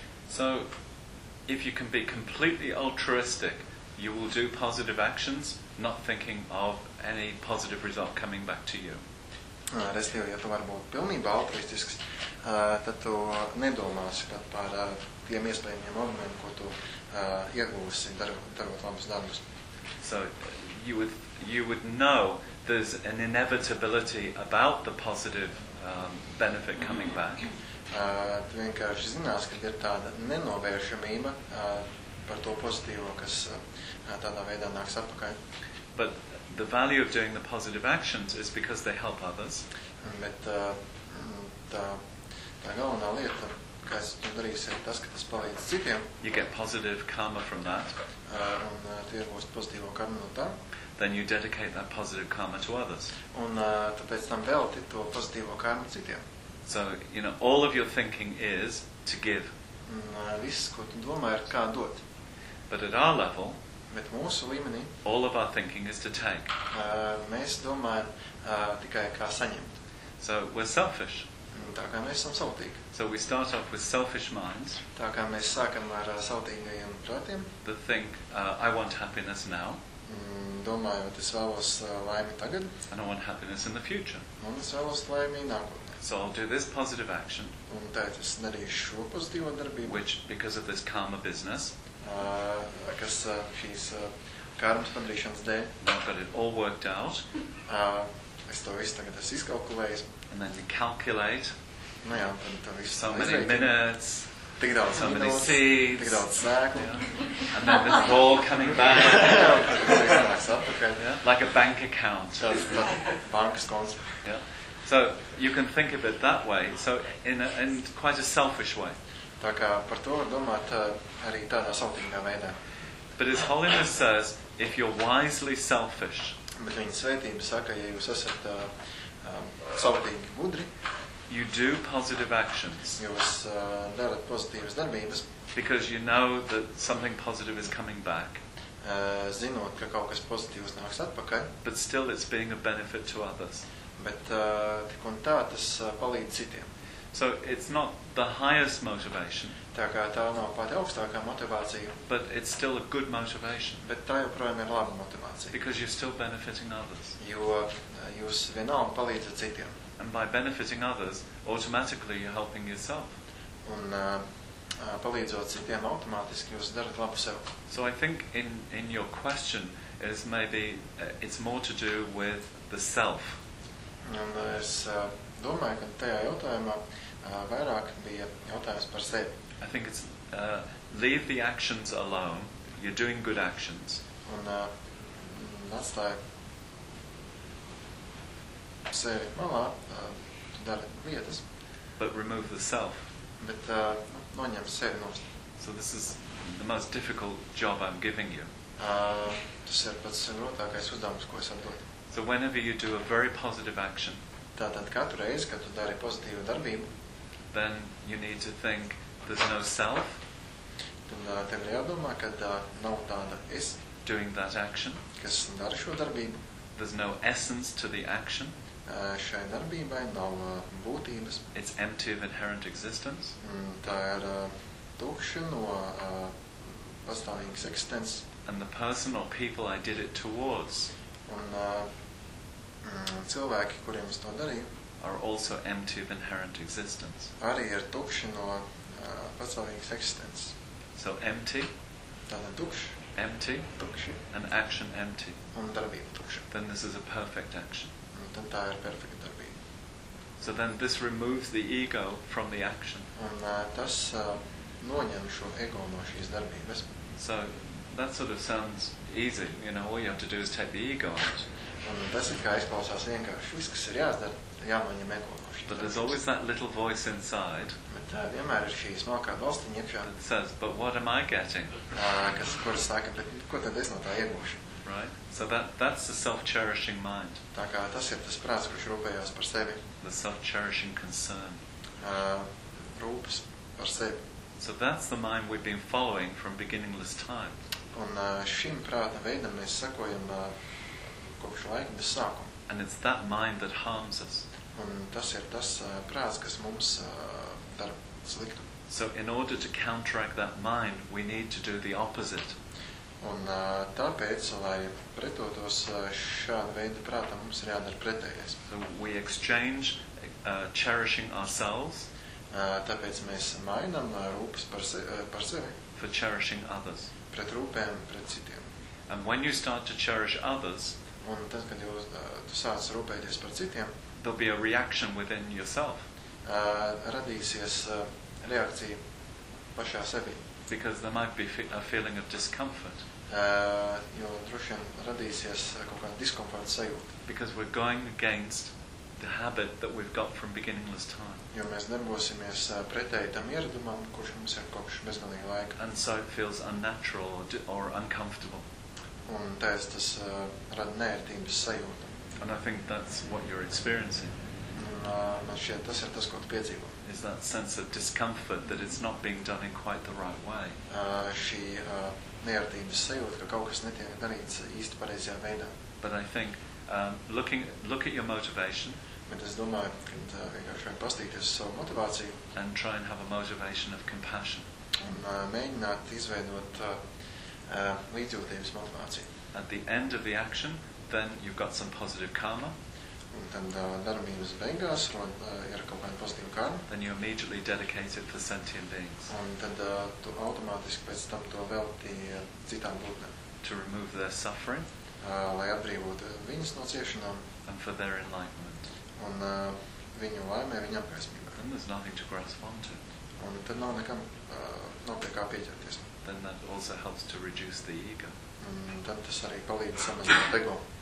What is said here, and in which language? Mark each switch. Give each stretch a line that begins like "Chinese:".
English: So if you can be completely altruistic, you will do positive actions, not thinking of any positive result coming back to you.
Latvian: Respektive, ja to var būt pilnībā altruistisks, tad tu nedomāsi par tiem iespējamiem augumiem, ko tu iegūsi darot labus darbus.
English: So you would know there's an inevitability about the positive benefit coming back.
Latvian: Tu vienkārši zinās, ka ir tāda nenovēršamība par to pozitīvo, kas tādā veidā nāks atpakaļ.
English: But the value of doing the positive actions is because they help others.
Latvian: Bet tā galvenā lieta, kas tu darīsi, ir tas, ka tas palīdz citiem.
English: You get positive karma from that.
Latvian: Un tu iegūsi pozitīvo karmu no tā.
English: Then you dedicate that positive karma to others.
Latvian: Un tu pēc tam velti to pozitīvo karmu citiem.
English: So, you know, all of your thinking is to give.
Latvian: Viss, ko tu domā, ir kā dot.
English: But at our level,
Latvian: bet mūsu līmenī,
English: all of our thinking is to take.
Latvian: Mēs domājam tikai kā saņemt.
English: So, we're selfish.
Latvian: Tā kā mēs esam savtīgi.
English: So, we start off with selfish minds.
Latvian: Tā kā mēs sākam ar savtīgajiem prātiem.
English: That think, I want happiness now.
Latvian: Domājot, es vēlos laimi tagad.
English: And I want happiness in the future.
Latvian: Un es vēlos laimi nākotnē.
English: So I'll do this positive action,
Latvian: un tāpēc es darīšu šo pozitīvo darbību,
English: which, because of this karma business,
Latvian: kas šīs karmas padarīšanas dēļ,
English: I've got it all worked out,
Latvian: es to visu tagad esmu izkalkulējis,
English: and then you calculate,
Latvian: nu jā, tad to visu
English: so many minutes,
Latvian: tik daudz
English: so many seeds,
Latvian: tik daudz sēklu,
English: yeah. And then this ball coming back, like a bank account,
Latvian: bankas konts,
English: yeah. So you can think of it that way, so in quite a selfish way.
Latvian: Tā kā par to var domāt arī tādā savtīgā veidā.
English: But as Holiness says, if you're wisely selfish,
Latvian: bet viņa svētība saka, ja jūs esat savtīgi mudri,
English: you do positive actions.
Latvian: Jūs darat pozitīvas darbības.
English: Because you know that something positive is coming back.
Latvian: Zinot, ka kaut kas pozitīvs nāks atpakaļ.
English: But still it's being a benefit to others.
Latvian: Bet tik un tā tas palīdz citiem.
English: So it's not the highest motivation.
Latvian: Tā kā tā nav pati augstākā motivācija.
English: But it's still a good motivation.
Latvian: Bet tā joprojām ir laba motivācija.
English: Because you're still benefiting others.
Latvian: Jo jūs vienalga palīdzat citiem.
English: And by benefiting others, automatically you're helping yourself.
Latvian: Un palīdzot citiem automātiski jūs darat labu sev.
English: So I think in your question is maybe it's more to do with the self.
Latvian: Un es domāju, ka tajā jautājumā vairāk bija jautājums par sevi.
English: I think it's leave the actions alone. You're doing good actions.
Latvian: Un atstāj sevi malā, tu dari lietas.
English: But remove the self.
Latvian: Bet noņem sevi nost.
English: So this is the most difficult job I'm giving you.
Latvian: Tas ir pats grūtākais uzdevums, ko es atdodu.
English: So whenever you do a very positive action,
Latvian: tātad katru reizi, kad tu dari pozitīvu darbību,
English: then you need to think there's no self.
Latvian: Tad tev ir jādomā, ka nav tāda es
English: doing that action.
Latvian: Kas dara šo darbību.
English: There's no essence to the action.
Latvian: Šai darbībai nav būtības.
English: It's empty of inherent existence.
Latvian: Tā ir tukša no pastāvīgas eksistences.
English: And the person or people I did it towards,
Latvian: un cilvēki, kuriem es to darīju,
English: are also empty of inherent existence.
Latvian: Arī ir tukši no pasaulīgas eksistences.
English: So empty.
Latvian: Tātad tukši.
English: Empty.
Latvian: Tukši.
English: And action empty.
Latvian: Un darbība tukša.
English: Then this is a perfect action.
Latvian: Un tad tā ir perfekta darbība.
English: So then this removes the ego from the action.
Latvian: Un tas noņem šo ego no šīs darbības.
English: So that sort of sounds easy, you know, all you have to do is take the ego out.
Latvian: Un tas ir kā izklausās vienkārši, viss, kas ir jāsdara, jāmaņem ego no šī.
English: But there's always that little voice inside.
Latvian: Bet vienmēr ir šī smalkā balstiņa iekšā.
English: It says, but what am I getting?
Latvian: Kas, kuras saka, bet ko tad es no tā iegūšu?
English: Right? So that's the self-cherishing mind.
Latvian: Tā kā tas ir tas prāts, kurš rūpējās par sevi.
English: The self-cherishing concern.
Latvian: Rūpes par sevi.
English: So that's the mind we've been following from beginningless time.
Latvian: Un šim prāta veidam mēs sakojam kopš laika bez sākuma.
English: And it's that mind that harms us.
Latvian: Un tas ir tas prāts, kas mums dar sliktu.
English: So in order to counteract that mind, we need to do the opposite.
Latvian: Un tāpēc, lai pretotos šādu veidu prātam, mums ir jādara pretējais.
English: So we exchange cherishing ourselves.
Latvian: Tāpēc mēs mainam rūpes par sevi.
English: For cherishing others.
Latvian: Pret rūpēm, pret citiem.
English: And when you start to cherish others,
Latvian: un tad, kad jūs tu sāc rūpēties par citiem,
English: there'll be a reaction within yourself.
Latvian: Radīsies reakcija pašā sebī.
English: Because there might be a feeling of discomfort.
Latvian: Jo droši vien radīsies kaut kāda diskomforta sajūta.
English: Because we're going against the habit that we've got from beginningless time.
Latvian: Jo mēs darbosimies pretēji tam ieradumam, kurš mums ir kopš bezgalīga laika.
English: And so it feels unnatural or uncomfortable.
Latvian: Un tāpēc tas rada neērtības sajūtu.
English: And I think that's what you're experiencing.
Latvian: Man šķiet, tas ir tas, ko tu piedzīvo.
English: Is that sense of discomfort that it's not being done in quite the right way.
Latvian: Šī neērtības sajūta, ka kaut kas netiek darīts īsti pareizajā veidā.
English: But I think, look at your motivation.
Latvian: Bet es domāju, kad vienkārši vien pastīties uz savu motivāciju.
English: And try and have a motivation of compassion.
Latvian: Un mēģināt izveidot līdzjūtības motivāciju.
English: At the end of the action, then you've got some positive karma.
Latvian: Un tad darbības beigās ir kaut kāda pozitīva karma.
English: Then you immediately dedicate it for sentient beings.
Latvian: Un tad tu automātiski pēc tam to velti citām būtnēm.
English: To remove their suffering.
Latvian: Lai atbrīvotu viņus no ciešanām.
English: And for their enlightenment.
Latvian: Un viņu laimē, viņu apgaismībā.
English: Then there's nothing to grasp onto.
Latvian: Un tad nav nekam, nav pie kā pieķerties.
English: Then that also helps to reduce the ego.
Latvian: Tad tas arī palīdz samazināt ego.